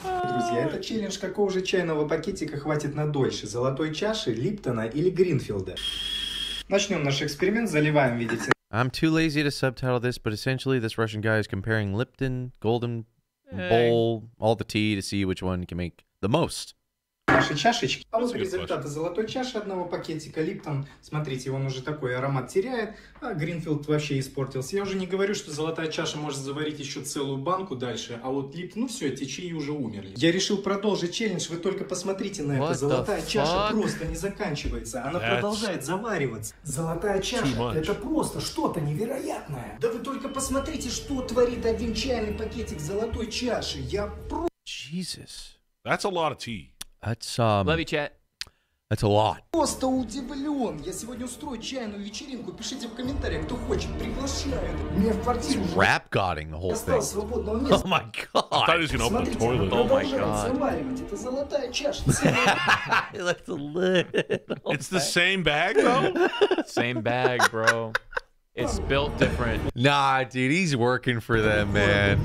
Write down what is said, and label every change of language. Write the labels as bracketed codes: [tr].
[ru] Друзья, это челлендж, какого же чайного пакетика хватит на дольше, золотой чаши, Липтона или Гринфилда? Начнем наш эксперимент, заливаем, видите. [en] I'm too lazy to subtitle this, but essentially this Russian guy is comparing Lipton, Golden Bowl, all the tea to see which one can make the most. [ru] Наши чашечки. А вот результаты золотой чаши одного пакетика, Липтон, смотрите, он уже такой аромат теряет, а Гринфилд вообще испортился. Я уже не говорю, что золотая чаша может заварить еще целую банку дальше, а вот Липтон, ну все, эти чаи уже умерли. Я решил продолжить челлендж, вы только посмотрите на это. Золотая чаша просто не заканчивается, она продолжает завариваться. Золотая чаша, это просто что-то невероятное. Да вы только посмотрите, что творит один чайный пакетик золотой чаши. Я просто... [en] Jesus. That's a lot of tea. That's Love you, chat. That's a lot. [ru] Просто удивлен. Я сегодня устрою чайную вечеринку. Пишите в комментариях, кто хочет, приглашает. Мне в квартиру. [en] He's rap-godding the whole thing. [ru] Свободного места. [en] Oh my god. I thought he was gonna open the toilet. Oh my god. [ru] Это золотая чаша. [en] That's a little. It's the same bag, though. Same bag, bro. It's built different. Nah, dude, he's working for them, man.